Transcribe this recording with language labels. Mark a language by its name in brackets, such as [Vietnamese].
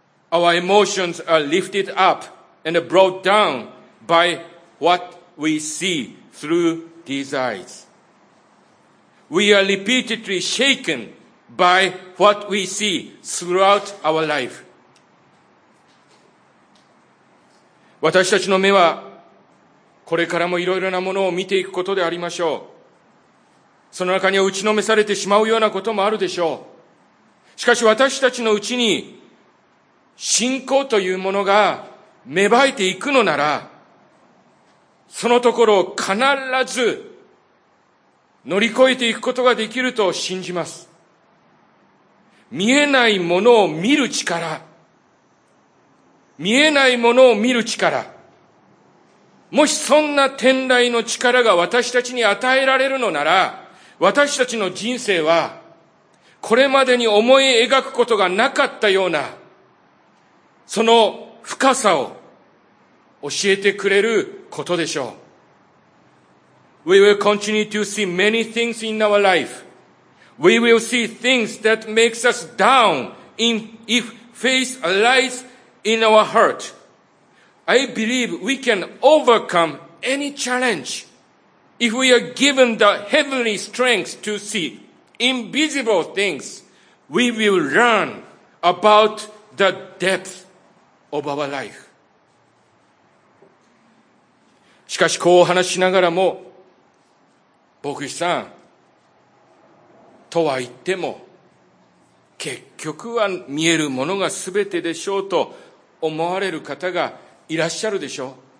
[English] Our emotions are lifted up and brought down by what we see through these eyes. We are repeatedly shaken by what we see throughout our life. [Japanese] 私たちの目はこれからもいろいろなものを見ていくことでありましょう。その中には打ちのめされてしまうようなこともあるでしょう。しかし私たちのうちに信仰というものが芽生えていくのなら、そのところを必ず乗り越えていくことができると信じます。見えないものを見る力、見えないものを見る力、もしそんな天来の力が私たちに与えられるのなら、私たちの人生はこれまでに思い描くことがなかったような、その深さを教えてくれることでしょう。 [English] We will continue to see many things in our life. We will see things that makes us down if faith lies in our heart. I believe we can overcome any challenge if we are given the heavenly strength to see. Invisible things, we will learn about the depth of our life. [Japanese] しかしこう話しながらも、牧師さん、とは言っても、結局は見えるものが全てでしょうと思われる方がいらっしゃるでしょう。